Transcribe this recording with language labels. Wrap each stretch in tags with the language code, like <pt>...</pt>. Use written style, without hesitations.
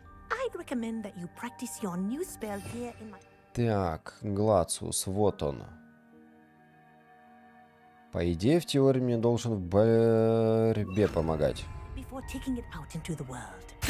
<en>I'd recommend that you practice your new spell here in my...</en> <ru>Так, Гладциус, вот он. По идее, в теории мне должен в борьбе помогать.</ru> <en>Before taking it out into the world.</en>